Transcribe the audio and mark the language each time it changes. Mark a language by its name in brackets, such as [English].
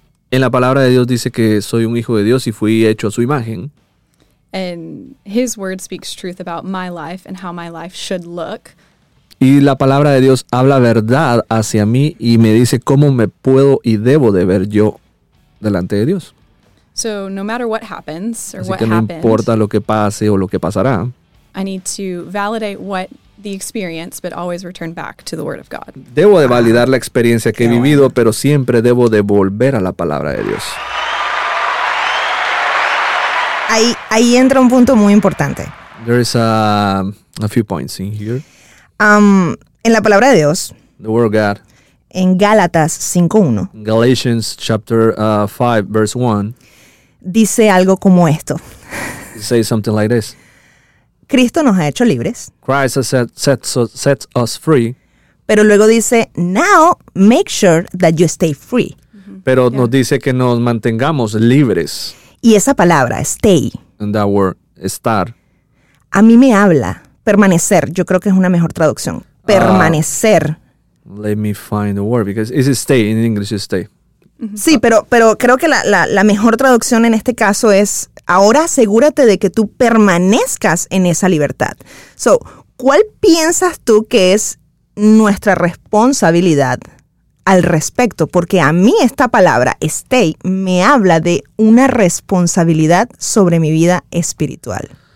[Spanish] En la palabra de Dios dice que soy un hijo de Dios y fui hecho a su imagen. [English] And his word speaks truth about my life and how my life should look. [Spanish] Y la palabra de Dios habla verdad hacia mí y me dice cómo me puedo y debo de ver yo delante de Dios. [English] So no matter what happens or [Spanish] así [English] what [Spanish] que no [English] happened, [Spanish] importa lo que pase o lo que pasará. [English] I need to validate what the experience, but always return back to the word of God. [Spanish] Debo de validar la experiencia que he vivido, pero siempre debo de volver a la palabra de Dios. Ahí entra un punto muy importante. [English] There is a few points in here. [Spanish] En la palabra de Dios. [English] The word of God. [Spanish] En Gálatas 5:1. [English] Galatians chapter 5 verse 1. [Spanish] Dice algo como esto. [English] Say something like this. [Spanish] Cristo nos ha hecho libres. [English] Christ has set us free. [Spanish] Pero luego dice, [English] now make sure that you stay free. Mm-hmm. [Spanish] pero yeah. nos dice que nos mantengamos libres. Y esa palabra, stay. [English] And that word, estar. [Spanish] A mí me habla, permanecer, yo creo que es una mejor traducción, permanecer. [English] Let me find the word, because it's stay, in English it's stay. Mm-hmm. [Spanish] Sí, pero creo que la mejor traducción en este caso es, ahora asegúrate de que tú permanezcas en esa libertad. So, ¿cuál piensas tú que es nuestra responsabilidad al respecto? Porque a mí esta palabra, stay, me habla de una responsabilidad sobre mi vida espiritual.